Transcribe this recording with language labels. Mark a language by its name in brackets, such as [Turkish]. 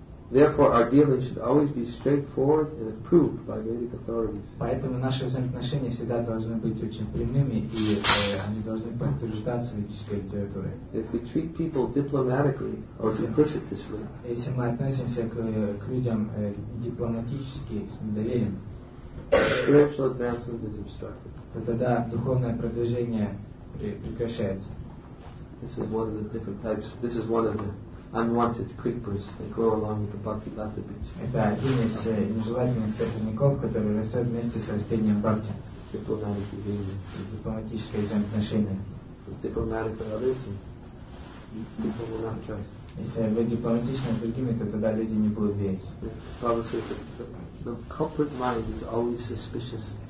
[English] Therefore, our dealings should always be straightforward and approved by Vedic authorities. [Russian] Поэтому наши взаимоотношения всегда должны быть очень прямыми и они должны подтверждаться ведической литературой. [English] If we treat people diplomatically or simplicitously, [Russian] если мы относимся к людям дипломатически, с недоверием, [English] spiritual advancement is obstructed. [Russian] То тогда духовное продвижение прекращается. [English] This is one of the different types. This is one of the unwanted creepers that grow along with the bhakti lata bitch. [Russian] Это один из нежелательных сорняков, который растет вместе с растением бхакти. [English] Diplomatic behavior. [Russian] Дипломатическое взаимоотношение. [English] Diplomatic with others, people will not trust. [Russian] Если вы дипломатичны с другими, то тогда люди не будут верить. [English] The culprit mind is always suspicious.